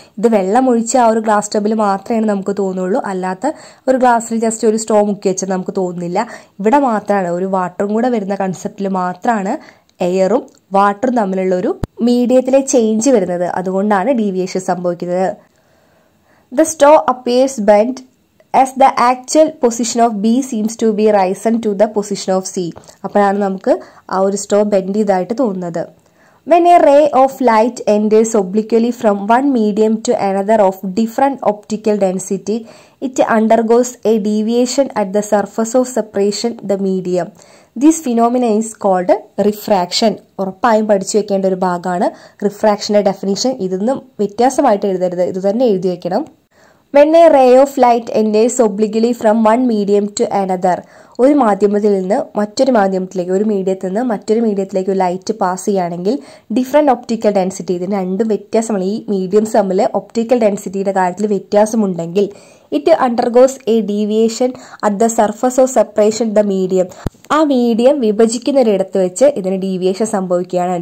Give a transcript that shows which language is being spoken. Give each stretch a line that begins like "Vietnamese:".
Malayalam: ഇത് വെള്ളം ഒഴിച്ച് ആ ഒരു ഗ്ലാസ് ടബിൽ മാത്രമേ നമുക്ക് തോന്നുള്ളൂ, അല്ലാത്ത ഒരു ഗ്ലാസ്സിൽ ജസ്റ്റ് ഒരു സ്റ്റോ മുക്കി വെച്ചാൽ നമുക്ക് തോന്നുന്നില്ല. ഇവിടെ മാത്രമാണ് ഒരു വാട്ടറും കൂടെ വരുന്ന കൺസെപ്റ്റിൽ മാത്രമാണ് എയറും വാട്ടറും തമ്മിലുള്ള ഒരു മീഡിയത്തിലെ ചേഞ്ച് വരുന്നത്. അതുകൊണ്ടാണ് ഡീവിയേഷൻ സംഭവിക്കുന്നത്.
English: The straw appears bend, as the actual position of B seems to be risen to the position of C.
Malayalam: അപ്പോഴാണ് നമുക്ക് ആ ഒരു സ്റ്റോ ബെൻഡ് ചെയ്തായിട്ട് തോന്നുന്നത്.
English: When a ray of light enters obliquely from one medium to another of different optical density, it undergoes a deviation at the surface of separation the medium. This phenomenon is called refraction.
Malayalam: ഉറപ്പായും പഠിച്ചു വെക്കേണ്ട ഒരു ഭാഗമാണ് റിഫ്രാക്ഷന്റെ definition. ഇതൊന്നും വ്യത്യാസമായിട്ട് എഴുതരുത്, ഇത് തന്നെ എഴുതി വെക്കണം.
English: When a ray of light enters obliquely from one medium to another,
Malayalam: ഒരു മാധ്യമത്തിൽ നിന്ന് മറ്റൊരു മാധ്യമത്തിലേക്ക്, ഒരു മീഡിയത്തിൽ നിന്ന് മറ്റൊരു മീഡിയത്തിലേക്ക് ഒരു ലൈറ്റ് പാസ് ചെയ്യുകയാണെങ്കിൽ ഡിഫറെൻറ്റ് ഒപ്റ്റിക്കൽ ഡെൻസിറ്റി, ഇതിന് രണ്ടും വ്യത്യാസമാണ്, ഈ മീഡിയംസ് തമ്മിൽ ഒപ്റ്റിക്കൽ ഡെൻസിറ്റിയുടെ കാര്യത്തിൽ വ്യത്യാസമുണ്ടെങ്കിൽ,
English: it undergoes a deviation at the surface of separation the medium,
Malayalam: ആ മീഡിയം വിഭജിക്കുന്നൊരിടത്ത് വെച്ച് ഇതിന് ഡീവിയേഷൻ സംഭവിക്കുകയാണ്.